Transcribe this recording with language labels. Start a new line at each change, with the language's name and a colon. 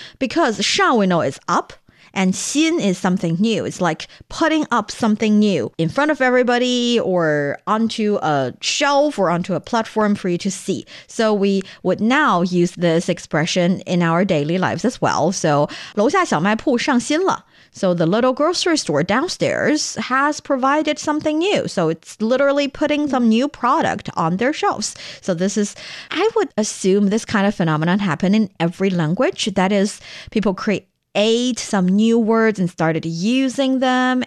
English: Because 上 we know is up, and 新 is something new. It's like putting up something new in front of everybody or onto a shelf or onto a platform for you to see. So we would now use this expression in our daily lives as well.
Chinese: So 楼下小卖铺上新了。
English: So the little grocery store downstairs has provided something new. So it's literally putting some new product on their shelves. So this is, I would assume this kind of phenomenon happened in every language. That is, people create some new words and started using them.